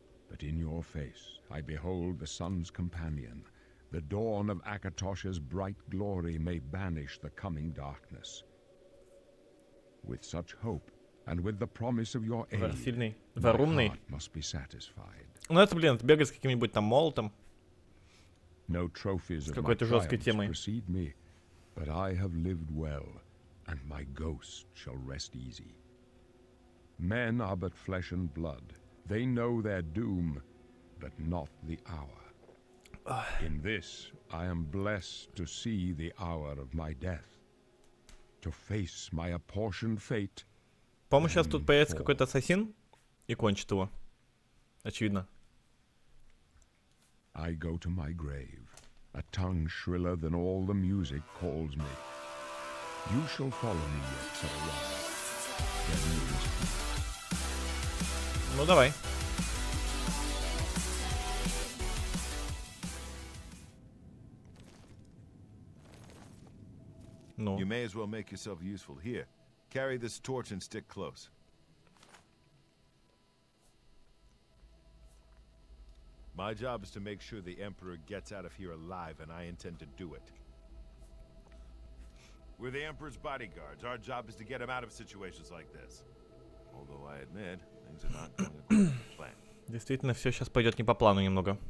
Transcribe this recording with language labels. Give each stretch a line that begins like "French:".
English: But in your face I behold the sun's companion. The dawn of Akatosha's bright glory may banish the coming darkness. With such hope and with the promise of your aid,
Russian: сильный, варумный.
English: My heart must be satisfied.
Russian: Ну это, блин, это бегать с каким-нибудь там молотом.
English: No trophies
Russian: of какой-то жесткой темой.
English: Precede me, but I have lived well, and my ghost shall rest easy. Men are but flesh and blood. They know their doom, but not the hour. In this, I am blessed to see the hour of my death, to face my apportioned fate.
Russian: По-моему, сейчас тут появится какой-то ассасин и кончит его. Очевидно.
English: I go to my grave, a tongue shriller than all the music calls me. You shall follow me yet for a while.
Russian: Ну давай. Ну.
English: You may as well make yourself useful here. Carry this torch and stick close. My job is to make sure the Emperor gets out of here alive, and I intend to do it. We're the Emperor's bodyguards. Our job is to get him out of situations like this. Although I admit, things are not going according to plan.
Russian: Действительно, все сейчас пойдет не по плану немного.